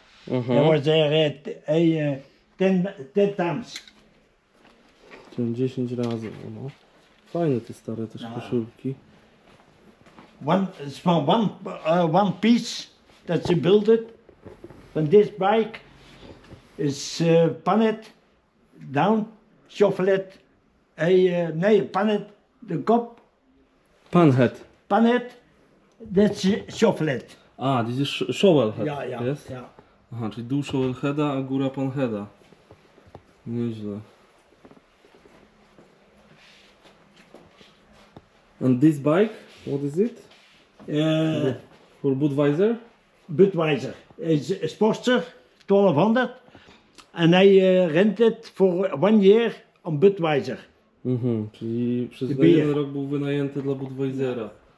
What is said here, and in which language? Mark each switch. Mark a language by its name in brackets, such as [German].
[English] Mm-hmm. I was there at 10 times. [Polish] 10 razy, no. Fajne te stare też koszulki. [English] One is from one piece that she built it. And this bike is panned down, shuffled, panned the cup. Panhead. Panhead, that's shuffled. Ah, this is shovel head. Yeah, yeah, yes? Yeah. [Polish] Aha, czyli dół shovel heada, a góra panheada. Nieźle. [English] And this bike, what is it? For Budweiser? Budweiser. It's a Sportster 1200 and I rent it for 1 year on Budweiser. Mm-hmm. [Polish] Czyli przez jeden rok był wynajęty dla Budweisera.